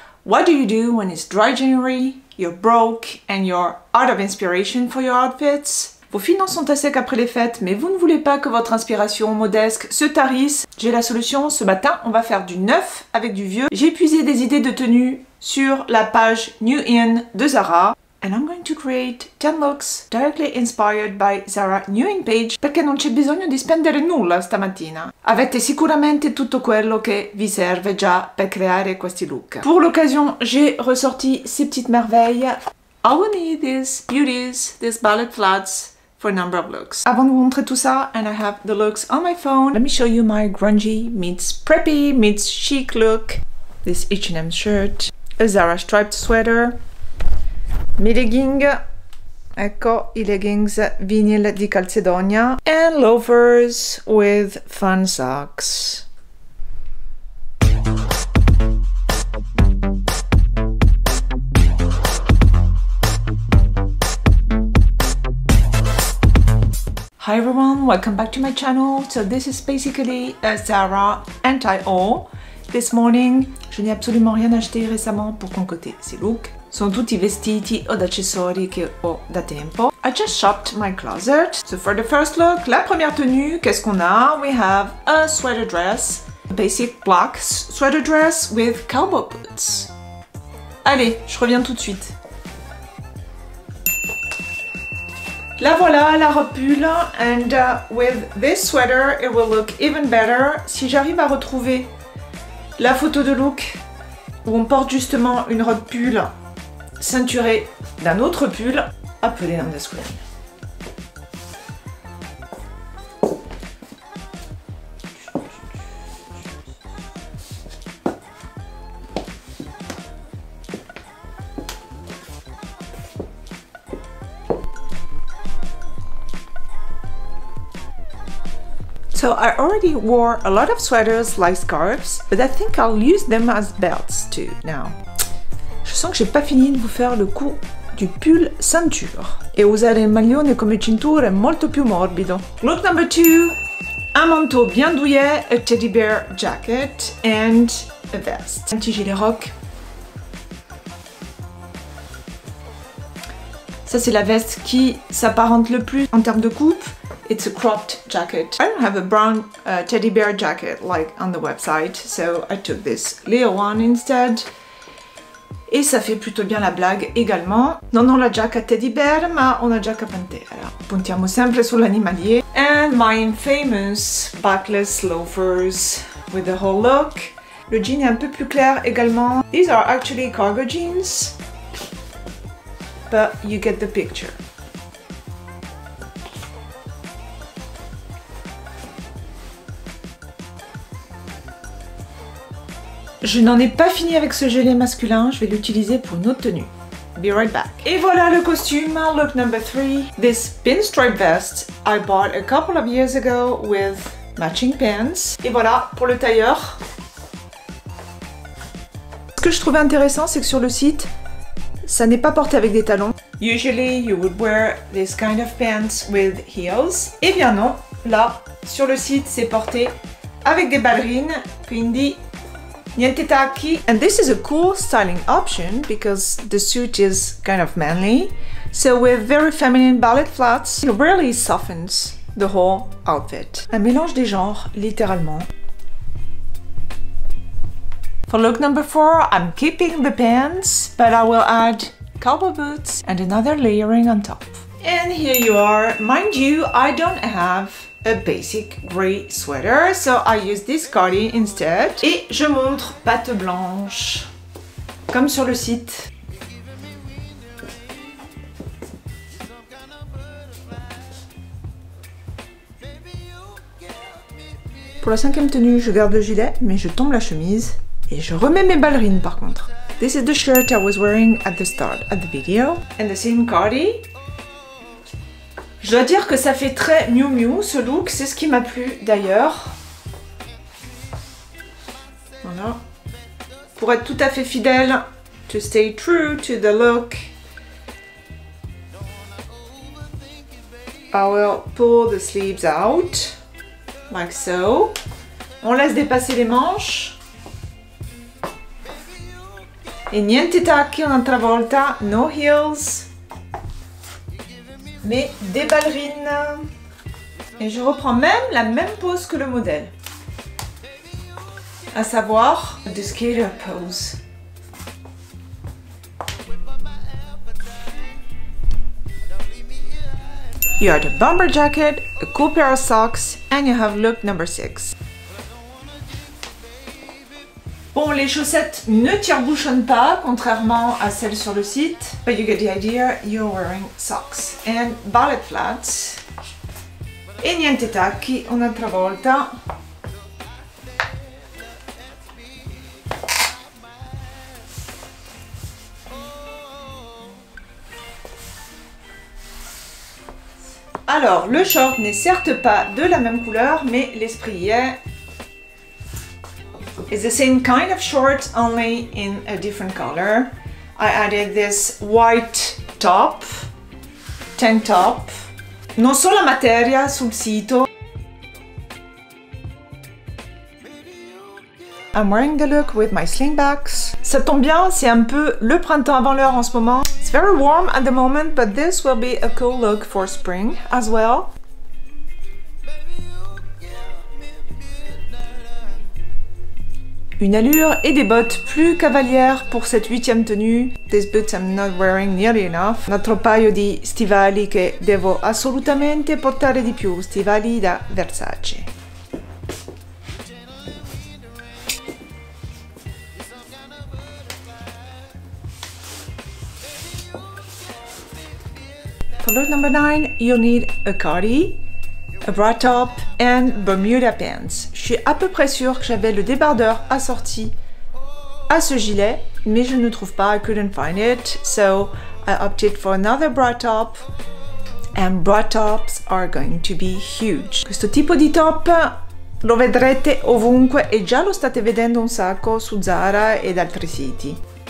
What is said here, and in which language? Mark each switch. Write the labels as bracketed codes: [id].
[en] What do you do when it's dry January, you're broke and you're out of inspiration for your outfits? [fr] Vos finances sont à sec après les fêtes, mais vous ne voulez pas que votre inspiration modeste se tarisse? J'ai la solution, ce matin on va faire du neuf avec du vieux. J'ai puisé des idées de tenues sur la page New In de Zara. [en] And I'm going to create 10 looks directly inspired by Zara New In page [it] perché non c'è bisogno di spendere nulla stamattina. Avete sicuramente tutto quello che vi serve già per creare questi look. [fr] Pour l'occasion, j'ai ressorti ces petites merveilles. [en] I will need these beauties, these ballet flats for a number of looks. [fr] Avant de vous montrer tout ça, [en] and I have the looks on my phone, let me show you my grungy meets preppy meets chic look. This H&M shirt, a Zara striped sweater, [fr] mes leggings, [it] ecco i leggings vinyl di Calzedonia, [en] and loafers with fun socks. Hi everyone, welcome back to my channel. So this is basically a Zara anti-haul. This morning, [fr] je n'ai absolument rien acheté récemment pour concocter ces looks. [it] Sont tutti vestiti o d'accessori che ho da tempo. [en] I just shopped my closet. So for the first look, [fr] la première tenue, qu'est-ce qu'on a? [en] We have a sweater dress, a basic black sweater dress with cowboy boots. [fr] Allez, je reviens tout de suite. La voilà, la robe pull, [en] and with this sweater, it will look even better. [fr] Si j'arrive à retrouver la photo de look où on porte justement une robe pull ceinturée d'un autre pull, appelé un des screen. [en] So I already wore a lot of sweaters like scarves, but I think I'll use them as belts too now. [fr] Je sens que j'ai pas fini de vous faire le coup du pull ceinture. [it] Et usare il maglione come cinture è molto più morbido. [en] Look number two, [fr] un manteau bien douillet, [en] a teddy bear jacket and a vest. [fr] Un petit gilet rock. Ça c'est la veste qui s'apparente le plus en termes de coupe. [en] It's a cropped jacket. I don't have a brown teddy bear jacket like on the website, so I took this little one instead. [fr] Et ça fait plutôt bien la blague également. [it] Non, non, la giacca teddy bear, ma una giacca pantera. Puntiamo sempre sull'animalier. [en] And my infamous backless loafers with the whole look. [fr] Le jean est un peu plus clair également. [en] These are actually cargo jeans, but you get the picture. [fr] Je n'en ai pas fini avec ce gilet masculin, je vais l'utiliser pour une autre tenue. [en] Be right back. [fr] Et voilà le costume, [en] look number 3. This pinstripe vest I bought a couple of years ago with matching pants. [fr] Et voilà pour le tailleur. Ce que je trouvais intéressant, c'est que sur le site, ça n'est pas porté avec des talons. [en] Usually you would wear this kind of pants with heels. [fr] Eh bien non, là, sur le site, c'est porté avec des ballerines, [it] quindi niente tacchi. [en] And this is a cool styling option because the suit is kind of manly. So with very feminine ballet flats, it really softens the whole outfit. [fr] Un mélange des genres, littéralement. [en] For look number 4, I'm keeping the pants, but I will add cowboy boots and another layering on top. And here you are. Mind you, I don't have a basic grey sweater, so I use this cardigan instead. [fr] Et je montre pâte blanche, comme sur le site. Pour la cinquième tenue, je garde le gilet, mais je tombe la chemise et je remets mes ballerines par contre. [en] This is the shirt I was wearing at the start of the video. And the same cardigan. [fr] Je dois dire que ça fait très Miu Miu ce look, c'est ce qui m'a plu d'ailleurs. Voilà. Pour être tout à fait fidèle, [en] to stay true to the look, [fr] I will pull the sleeves out, like so. On laisse dépasser les manches. [it] E niente tacchi un'altra volta, [en] no heels, [fr] mais des ballerines. Et je reprends même la même pose que le modèle, à savoir [en] the skater pose. You are the bomber jacket, a cool pair of socks, and you have look number 6. [fr] Bon, les chaussettes ne tire-bouchonnent pas, contrairement à celles sur le site. [en] But you get the idea, you're wearing socks and ballet flats. [it] E niente tacchi, un'altra volta. [fr] Alors, le short n'est certes pas de la même couleur, mais l'esprit y est. [en] It's the same kind of short, only in a different color. I added this white top, tank top. [it] Non so la materia sul sito. [en] I'm wearing the look with my slingbacks. [fr] Ça tombe bien, c'est un peu le printemps avant l'heure en ce moment. [en] It's very warm at the moment, but this will be a cool look for spring as well. [fr] Une allure et des bottes plus cavalières pour cette huitième tenue. [en] These boots I'm not wearing nearly enough. [it] Un altro paio di stivali che devo assolutamente portare di più, stivali da Versace. [en] For look number 9, you'll need a cardi, a bra top, and Bermuda pants. [fr] Je suis à peu près sûre que j'avais le débardeur assorti à ce gilet, mais je ne trouve pas, [en] I couldn't find it, so I opted for another bra top, and bra tops are going to be huge. [it] Questo tipo di top lo vedrete ovunque e già lo state vedendo un sacco su Zara ed altri siti.